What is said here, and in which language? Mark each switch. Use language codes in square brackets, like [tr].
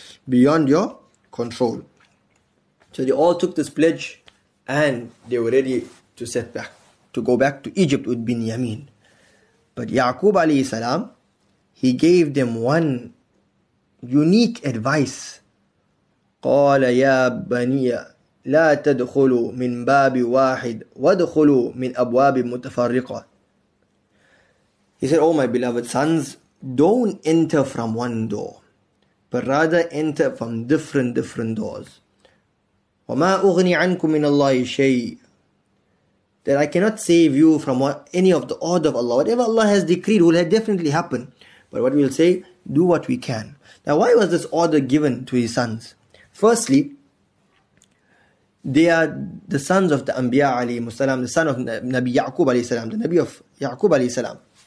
[en] Beyond your control. So they all took this pledge and they were ready to set back, to go back to Egypt with Binyamin. But Ya'qub alayhi salam, he gave them one unique advice. [ar] قَالَ يَا بَنِيَّ لا تدخلوا من باب واحد وادخلوا من أبواب متفرقة. [en] He said, Oh my beloved sons, don't enter from one door, but rather enter from different doors. [ar] وما أغني عنكم من الله شيء. [en] That I cannot save you from any of the order of Allah. Whatever Allah has decreed will definitely happen. But what we'll say, do what we can. Now, why was this order given to his sons? Firstly, they are the sons of the Anbiya alayhi salam, the son of Nabi Ya'qub alayhi salam, the Nabi of Ya'qub alayhi salam.